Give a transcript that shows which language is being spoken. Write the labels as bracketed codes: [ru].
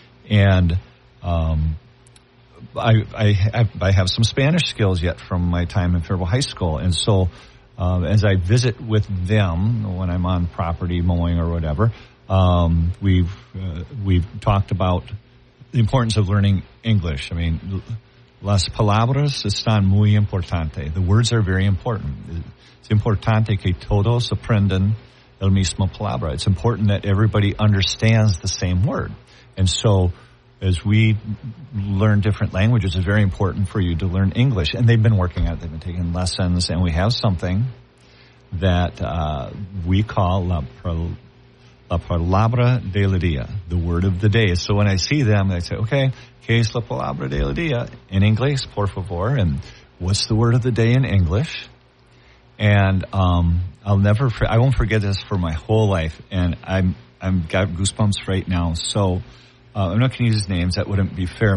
[en] And I have some Spanish skills yet from my time in Faribault High School. And so as I visit with them when I'm on property mowing or whatever, we've talked about the importance of learning English. [es] I mean, las palabras están muy importante. [en] The words are very important. It's [es] importante que todos aprendan el mismo palabra. [en] It's important that everybody understands the same word. And so as we learn different languages, it's very important for you to learn English. And they've been working on it. They've been taking lessons. And we have something that we call [es] la palabra del día, [en] the word of the day. So when I see them, I say, okay, [es] ¿qué es la palabra del día? [en] In English, [es] por favor. [en] And what's the word of the day in English? And I won't forget this for my whole life. And I'm got goosebumps right now. So I'm not going to use his names. That wouldn't be fair.